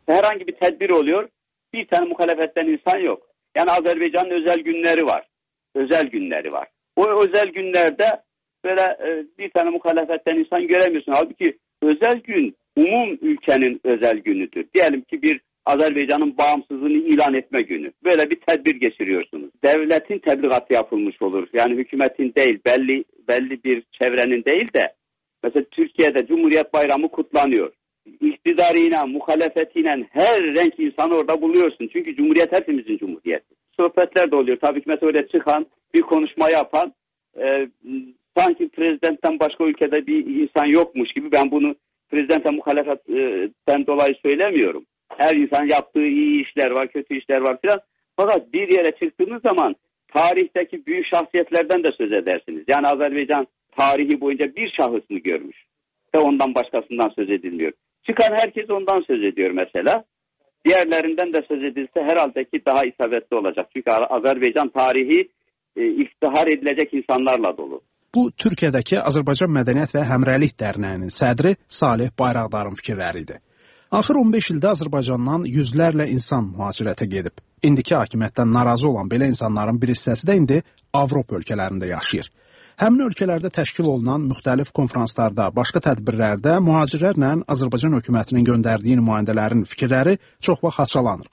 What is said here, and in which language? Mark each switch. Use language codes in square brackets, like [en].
[az] Hər hansı bir tədbir [tr] oluyor, bir tane [az] müxalifətdən insan yox. Yəni Azərbaycanın özəl günləri var. Özəl günləri var. O özəl günlərdə belə [tr] bir tane [az] müxalifətdən insan görəmirsən. Halbuki özəl gün umum ölkənin özəl günüdür. Deyəlim ki, bir Azərbaycanın bağımsızlığını ilan etmə günü. [tr] Böyle bir tədbir geçiriyorsunuz. Devletin təbliğatı yapılmış olur. Yani hükümetin değil, belli bir çevrenin değil de. Mesela Türkiye'de Cumhuriyet Bayramı kutlanıyor. İktidarıyla, muhalefetiyle her renk insanı orada buluyorsun. Çünkü Cumhuriyet hepimizin Cumhuriyeti. Sohbetler de oluyor. Tabii ki mesela öyle çıkan, bir konuşma yapan, sanki prezidentten başka ülkede bir insan yokmuş gibi. Ben bunu prezidentten muhalefetten dolayı söylemiyorum. Her insan yaptığı iyi işler var, kötü işler var filan. Fakat bir yere çıktığınız zaman tarihteki büyük şahsiyetlerden de söz edersiniz. Yani Azerbaycan tarihi boyunca bir şahısını görmüş. Ve ondan başkasından söz edilmiyor. Çıkan herkes ondan söz ediyor mesela. Diğerlerinden de söz edilse herhalde ki daha isabetli olacak. Çünkü Azerbaycan tarihi iftihar edilecek insanlarla dolu. [az] Bu, Türkiye'deki Azerbaycan Mədəniyyət və Həmrəlik Dərnəyinin sədri Salih Bayraqdarın fikirləri idi. Axır 15 ildə Azərbaycandan yüzlərlə insan mühacirətə gedib. İndiki hakimiyyətdən narazı olan belə insanların bir hissəsi də indi Avropa ölkələrində yaşayır. Həmin ölkələrdə təşkil olunan müxtəlif konferanslarda, başqa tədbirlərdə mühacirlərlə Azərbaycan hökumətinin göndərdiyi nümayəndələrin fikirləri çox vaxt haçalanır.